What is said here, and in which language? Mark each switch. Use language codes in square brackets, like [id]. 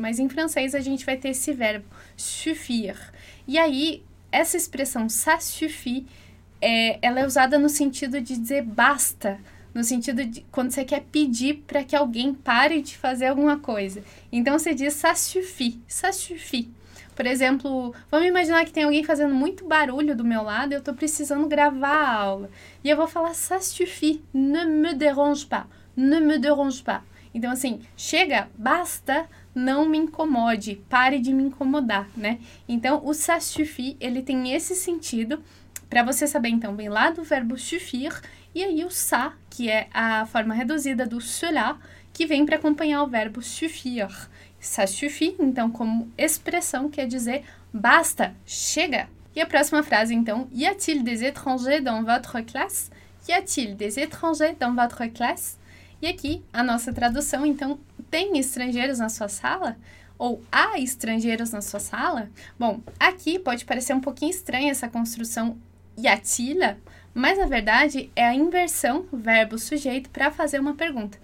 [pt] Mas, em francês, a gente vai ter esse verbo suffire. E aí, essa expressão [fr] ça suffit, [pt] ela é usada no sentido de dizer basta. No sentido de quando você quer pedir para que alguém pare de fazer alguma coisa. Então, você diz [fr] ça suffit, ça suffit. [pt] Por exemplo, vamos imaginar que tem alguém fazendo muito barulho do meu lado e eu estou precisando gravar a aula. E eu vou falar, [fr] ça suffit, ne me dérange pas, ne me dérange pas. [pt] Então, assim, chega, basta, não me incomode, pare de me incomodar, né? Então, o ça suffit, ele tem esse sentido, para você saber, então, vem lá do verbo suffire, e aí o ça, que é a forma reduzida do cela, que vem para acompanhar o verbo suffire. [fr] Ça suffit, [pt] então, como expressão, quer dizer basta, chega. E a próxima frase, então, [fr] y a-t-il des étrangers dans votre classe? Y a-t-il des étrangers dans votre classe? [pt] E aqui, a nossa tradução, então, tem estrangeiros na sua sala? Ou há estrangeiros na sua sala? Bom, aqui pode parecer um pouquinho estranha essa construção [fr] y a-t-il, [pt] mas na verdade é a inversão verbo sujeito para fazer uma pergunta.